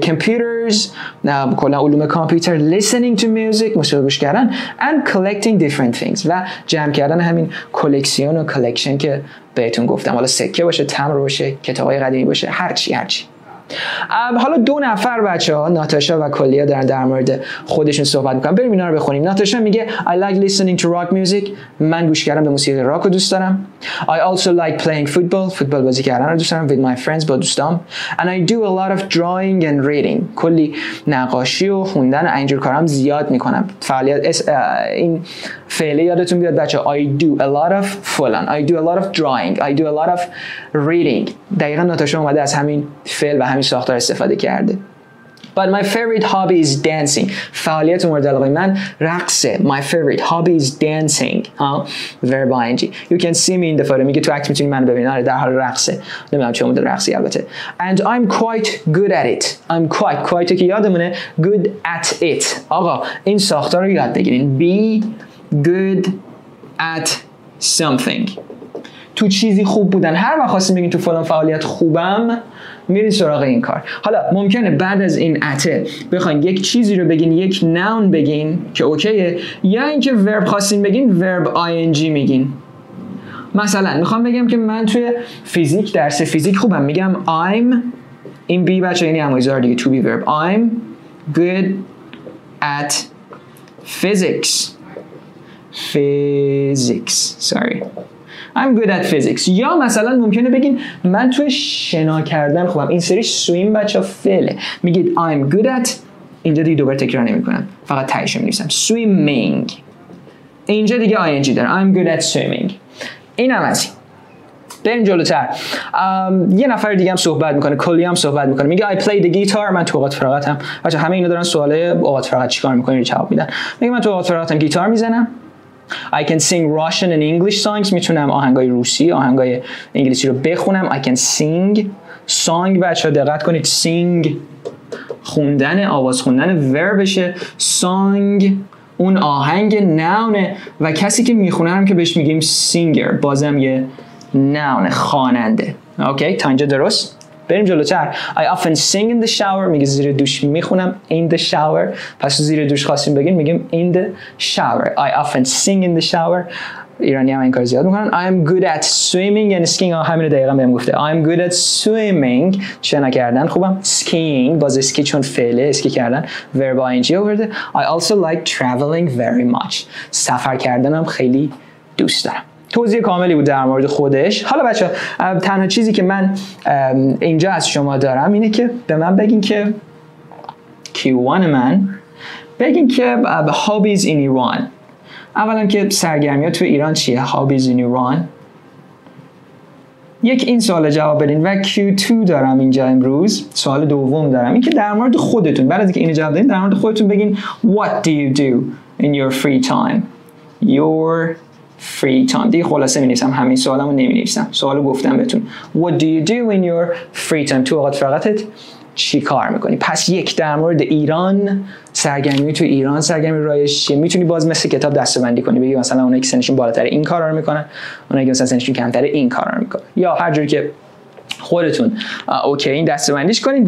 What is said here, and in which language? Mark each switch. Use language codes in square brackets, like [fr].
[en] Computers [fa] کلن علوم کامپیوتر. [en] Listening to music [fa] موسیقی گوش کردن. [en] And collecting different things [fa] و جمع کردن همین کلکسیون و کلکشن که بهتون گفتم، حالا سکه باشه، تمر باشه، کتاب های قدیمی باشه، هرچی. حالا دو نفر بچه‌ها، ناتاشا و کلیا، دارن در مورد خودشون صحبت می‌کنن. بریم اینا رو بخونیم. [en] Natasha [fa] میگه [en] I like listening to rock music. [fa] من گوش کردن به موسیقی راک رو دوست دارم. [en] I also like playing football. [fa] فوتبال بازی کردن رو دوست دارم. [en] With my friends، [fa] با دوستام. [en] And I do a lot of drawing and reading. [fa] کلی نقاشی و خوندن و اینجور کارام زیاد می‌کنم. فعالیت این فعلی یادتون بیاد بچه‌ها، [en] I do a lot of [fa] فلان. [en] I do a lot of drawing. I do a lot of reading. [fa] دقیقاً ناتاشا اومده از همین فعل همین ساختار استفاده کرده. [en] But my favorite hobby is dancing. [fa] فعالیت مورد علاقه من رقصه. [en] My favorite hobby is dancing. Verb ing. You can see me in the photo. [fa] میگه تو عکس میتونی منو ببینی. آره در حال رقصه. نمیدونم چه مدل رقصی البته. [en] And I'm quite good at it. I'm quite [fa] که یادمونه [en] good at it. [fa] آقا این ساختار رو یاد بگیرین. [en] Be good at something. [fa] تو چیزی خوب بودن. هر وقت خواستیم بگیم تو فلان فعالیت خوبم، میرین سراغ این کار. حالا ممکنه بعد از این اته بخواین یک چیزی رو بگین، یک نون بگین که اوکیه، یا اینکه ورب خواستین بگین ورب آی ان جی میگین. مثلا میخوام بگم که من توی فیزیک، درس فیزیک خوبم، میگم [en] I'm، [fa] این بی بچه یعنی امایزار دیگه، [en] to be verb. I'm good at physics. Physics. Sorry. I'm good at physics. [fa] یا مثلا ممکنه بگین من توی شنا کردن خوبم. این سری سویم بچه ها فعله. میگید [en] I'm good at، [fa] اینجا دیگه دوباره تکرار نمی کنم، فقط تایشو می نویسم، swimming. اینجا دیگه ing داره، [en] I'm good at swimming. [fa] این هم از این. بریم جلوتر. یه نفر دیگه هم صحبت میکنه، کلی هم صحبت میکنه، میگه [en] I play the guitar. [fa] من تو اوقات فراغت هم بچه همه اینا دارن سواله اوقات فراغت چیکار میکنی رو جواب میدن. میگه من تو اوقات فراغت هم گیتار میزنم. [en] I can sing Russian and English songs. [fa] میتونم آهنگای روسی، آهنگای انگلیسی رو بخونم. [en] I can sing song. [fa] بچه‌ها دقت کنید، sing خوندن، آواز خوندن، وربشه. Song اون آهنگ، نونه، و کسی که میخونه هم که بهش میگیم singer، بازم یه نونه، خواننده. اوکی تا اینجا درست؟ بریم جلوتر. [en] I often sing in the shower. [fa] میگه زیر دوش میخونم. [en] In the shower. [fa] پس زیر دوش خواستیم بگیم میگیم [en] in the shower. I often sing in the shower. [fa] ایرانی هم این کار زیاد میکنن. [en] I am good at swimming and skiing. [fa] همین رو دقیقا بهم گفته. [en] I am good at swimming. [fa] شنا کردن خوبم. Skiing. باز اسکی چون فعله اسکی کردن. [en] Verb ing [fa] آورده. [en] I also like traveling very much. [fa] سفر کردن هم خیلی دوست دارم. توضیح کاملی بود در مورد خودش. حالا بچه تنها چیزی که من اینجا از شما دارم اینه که به من بگین که Q1 من بگین که [en] hobbies in Iran. [fa] اولا که سرگرمی ها تو ایران چیه؟ [en] hobbies in Iran. [fa] یک این سوال جواب بدین و Q2 دارم اینجا امروز. سوال دوم دارم این که در مورد خودتون بعد از اینکه اینو جواب دادین در مورد خودتون بگین [en] What do you do in your free time? Your free time. [fa] دیگه خلاصه می نویسم. همین سوالمو نمی نویسم. سوالو گفتم بهتون. [en] What do you do in your free time? [fa] تو اوقات فراغتت چی کار میکنی؟ پس یک در مورد ایران سرگرمی تو ایران سرگرمی رایج چیه؟ میتونی باز مثل کتاب دسته‌بندی کنی بگی مثلا اونایی که سنشون بالاتر این کارا رو میکنن، اونایی که مثلا سنشون کمتر این کارا رو میکنن، یا هر جوری که خودتون اوکی این دسته‌بندیش کنید.